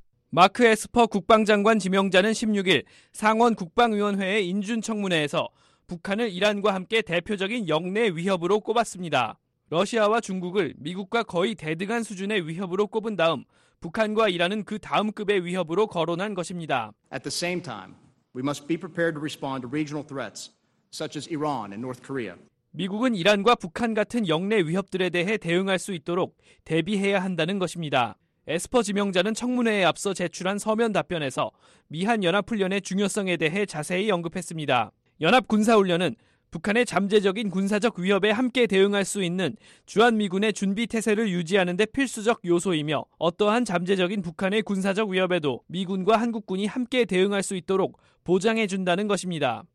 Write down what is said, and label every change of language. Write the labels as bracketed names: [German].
[Korean] 마크 에스퍼 국방장관 지명자는 16일 상원 국방위원회의 인준청문회에서 북한을 이란과 함께 대표적인 영내 위협으로 꼽았습니다. 러시아와 중국을 미국과 거의 대등한 수준의 위협으로 꼽은 다음 북한과 이란은 그 다음 급의 위협으로 거론한 것입니다. [English] At the same time, we must be prepared to respond to regional threats such as Iran and North Korea. [Korean] 미국은 이란과 북한 같은 영내 위협들에 대해 대응할 수 있도록 대비해야 한다는 것입니다. 에스퍼 지명자는 청문회에 앞서 제출한 서면 답변에서 미한 연합훈련의 중요성에 대해 자세히 언급했습니다. 연합 군사훈련은 북한의 잠재적인 군사적 위협에 함께 대응할 수 있는 주한미군의 준비태세를 유지하는 데 필수적 요소이며 어떠한 잠재적인 북한의 군사적 위협에도 미군과 한국군이 함께 대응할 수 있도록 보장해준다는 것입니다.